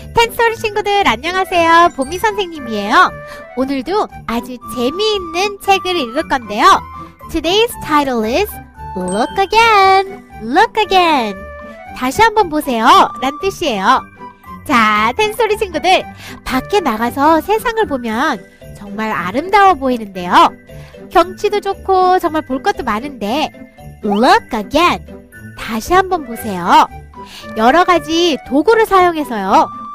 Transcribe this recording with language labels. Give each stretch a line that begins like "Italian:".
Korean: 10 Story 친구들, 안녕하세요. 보미 선생님이에요. 오늘도 아주 재미있는 책을 읽을 건데요.
English: Today's title is Look Again, Look Again.
Korean: 다시 한번 보세요. 란 뜻이에요. 자, 10 Story 친구들, 밖에 나가서 세상을 보면 정말 아름다워 보이는데요. 경치도 좋고 정말 볼 것도 많은데,
English: Look Again.
Korean: 다시 한번 보세요. 여러 가지 도구를 사용해서요.